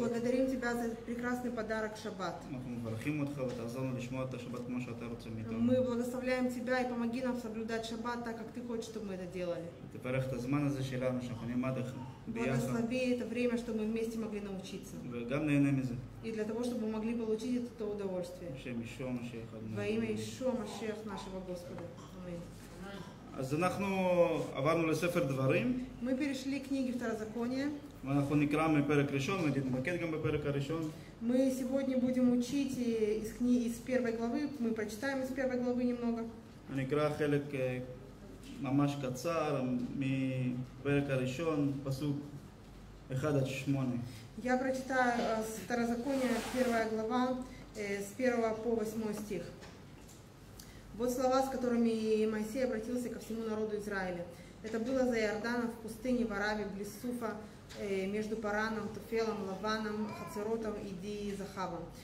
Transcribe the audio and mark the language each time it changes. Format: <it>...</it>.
<ru>благодарим тебя за прекрасный подарок שבת.</ru> <he>אנחנו מברכים אותך ותעזור לנו לשמוע את השבת כמו שאתה רוצה מאיתנו.</he> <ru>Мы благословляем тебя и помоги нам соблюдать שבת так, как ты хочешь, чтобы мы это делали.</ru> <he>תברך את הזמן הזה שלנו, שאנחנו נלמד ביחד.</he> <ru>благослови это время, чтобы мы вместе могли научиться.</ru> <he>וגם נהנה מזה.</he> <ru>И для того, чтобы мы могли получить это удовольствие.</ru> <he>השם ישוע משיח.</he> <ru>во имя Ишуа Машех нашего Господа. Амин.</ru> <he>אז אנחנו עברנו לספר דברים.</he> <ru>Мы перешли к книге Второзакония.</ru> <he>ואנחנו נקרא מפרק ראשון, נתמקד גם בפרק הראשון.</he> <ru>Мы сегодня будем учить из книги, из первой главы, мы прочитаем из первой главы немного.</ru> <he>אני אקרא חלק ממש קצר מפרק הראשון, פסוק 1-8.</he> <ru>Я прочитаю с Второзакония, первая глава, с 1 по 8 стих. Вот слова, с которыми Моисей обратился ко всему народу Израиля. Это было за Иорданом, в пустыне, в Араве, близ Суфа, между Параном, Туфелом, Лаваном, Хацеротом и Ди-Захавом.</ru>